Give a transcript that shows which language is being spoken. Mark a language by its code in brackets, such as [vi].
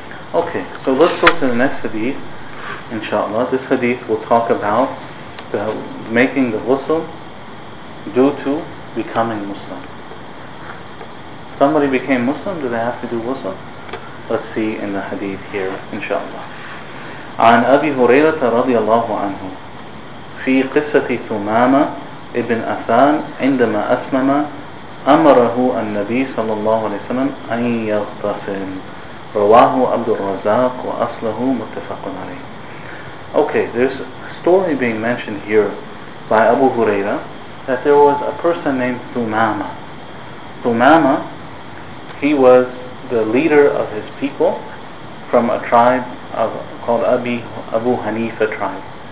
[en] Okay, so let's go to the next hadith, inshallah. This hadith will talk about the making the ghusl due to becoming Muslim. Somebody became Muslim, do they have to do ghusl? Let's see in the hadith here, inshallah. [ar] عن أبي هريرة رضي الله عنه في قصة ثمامة ابن أثان عندما أسلم أمره النبي صلى الله عليه وسلم أن يغتسل رواه عبد الرزاق وأصله متفق عليه. [en] Okay, there's a story being mentioned here by Abu Huraira that there was a person named Thumama. Thumama, he was the leader of his people from a tribe called Abu Hanifa tribe.